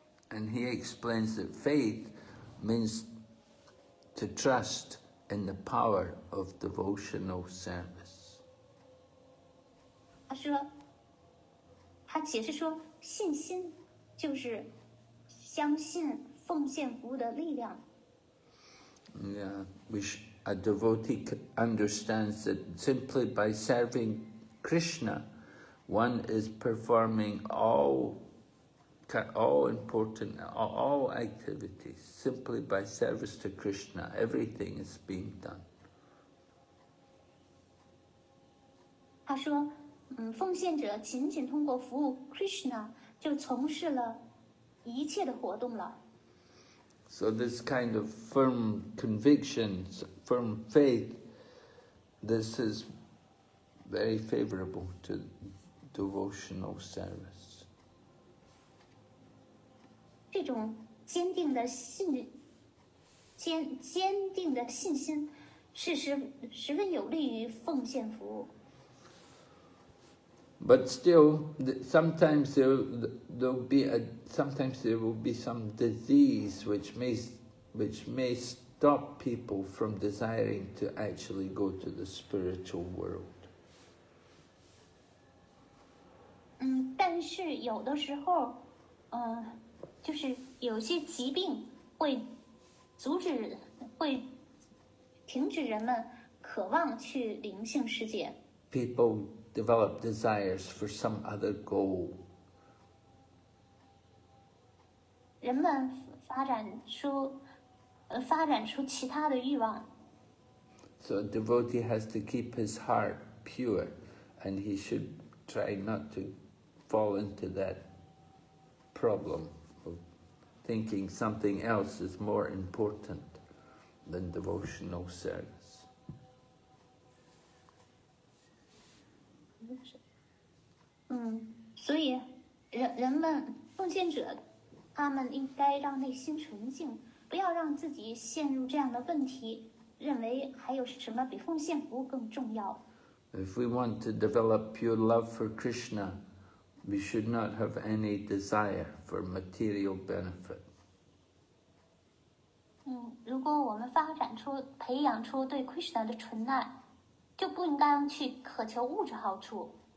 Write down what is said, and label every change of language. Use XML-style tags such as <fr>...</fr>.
<en>And he explains that faith means to trust in the power of devotional service.</en> <zh>他解释说信心就是相信奉献服务的力量。</zh> <en>Yeah, which a devotee understands that simply by serving Krishna, one is performing all important, all activities. Simply by service to Krishna, everything is being done.</en> <zh>他说，奉献者仅仅通过服务 Krishna 就从事了一切的活动了。</zh> <en>So this kind of firm convictions, firm faith, this is very favorable to devotional service.</en> <zh>这种坚定的信心是十分有利于奉献服务。</zh> <en>But still, sometimes there will be some disease which may stop people from desiring to actually go to the spiritual world.</en> <zh>但是有的时候，就是有些疾病会停止人们渴望去灵性世界。</zh> <en>People develop desires for some other goal.</en> <zh>人们发展出其他的欲望。</zh> <en>So a devotee has to keep his heart pure, and he should try not to fall into that problem of thinking something else is more important than devotional service.</en> <zh>所以人们奉献者他们应该让内心纯净，不要让自己陷入这样的问题，认为还有什么比奉献服务更重要。</zh> <en>If we want to develop pure love for Krishna, we should not have any desire for material benefit.</en> <zh>如果我们培养出对 Krishna 的纯爱，就不应该去渴求物质好处。</zh>